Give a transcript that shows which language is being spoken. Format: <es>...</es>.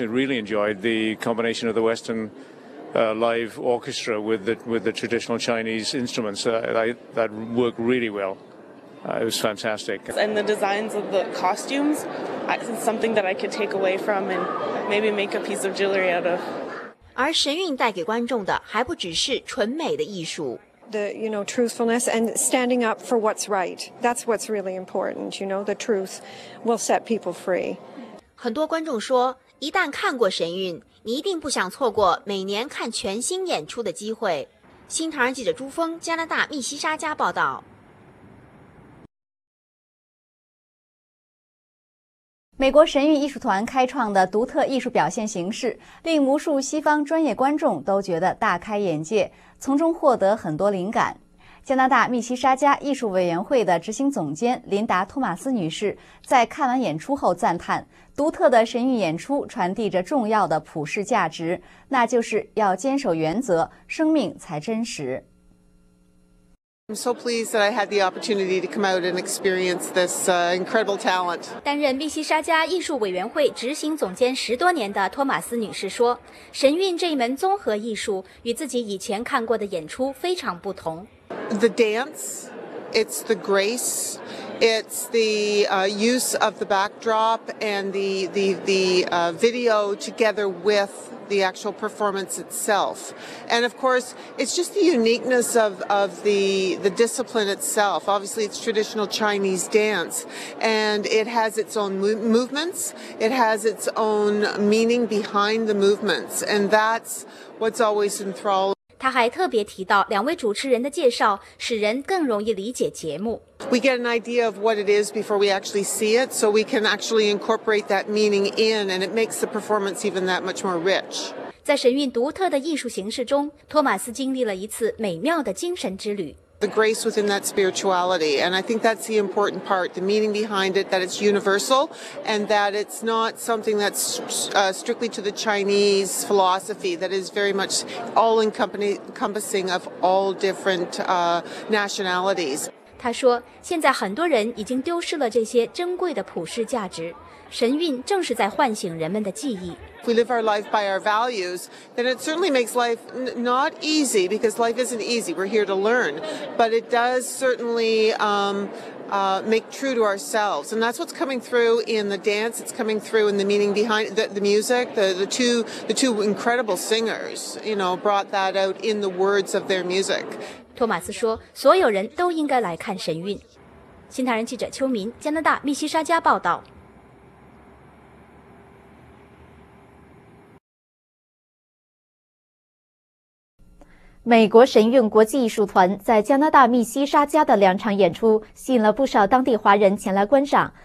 <en>I really enjoyed the combination of the Western live orchestra with the traditional Chinese instruments. That worked really well. It was fantastic. And the designs of the costumes, it's something that I could take away from and maybe make a piece of jewelry out of.</en> <zh>而神韵带给观众的还不只是纯美的艺术。</zh> <en>The, truthfulness and standing up for what's right. That's what's really important, the truth will set people free.</en> <zh>很多观众说，一旦看过神韵，你一定不想错过每年看全新演出的机会。新唐人记者朱峰，加拿大密西沙加报道。美国神韵艺术团开创的独特艺术表现形式，令无数西方专业观众都觉得大开眼界，从中获得很多灵感。加拿大密西沙加艺术委员会的执行总监琳达·托马斯女士在看完演出后赞叹，独特的神韵演出传递着重要的普世价值，那就是要坚守原则，生命才真实。</zh> <en>I'm so pleased that I had the opportunity to come out and experience this incredible talent.</en> <zh>担任密西沙加艺术委员会执行总监十多年的托马斯女士说，神韵这一门综合艺术与自己以前看过的演出非常不同。</zh> <en>The dance, it's the grace, it's the use of the backdrop and the video together with the actual performance itself. And of course, it's just the uniqueness of the discipline itself. Obviously, it's traditional Chinese dance, and it has its own movements. It has its own meaning behind the movements, and that's what's always enthralling.</en> <zh>他还特别提到，两位主持人的介绍使人更容易理解节目。</zh> <en>We get an idea of what it is before we actually see it, so we can actually incorporate that meaning in, and it makes the performance even that much more rich.</en> <zh>在神韵独特的艺术形式中，托马斯经历了一次美妙的精神之旅。</zh> <en>The grace within that spirituality, and I think that's the important part, the meaning behind it, that it's universal, and that it's not something that's strictly to the Chinese philosophy, that is very much all-encompassing of all different nationalities.</en> <zh>他说，现在很多人已经丢失了这些珍贵的普世价值，神韵正是在唤醒人们的记忆。</zh> <en>If we live our life by our values, then it certainly makes life not easy, because life isn't easy. We're here to learn. But it does certainly make true to ourselves. And that's what's coming through in the dance. It's coming through in the meaning behind the music. The two incredible singers, you know, brought that out in the words of their music.</en> <zh>托马斯说，所有人都应该来看神韵。新唐人记者邱民，加拿大密西沙加报道。美国神韵国际艺术团在加拿大密西沙加的两场演出吸引了不少当地华人前来观赏。</zh>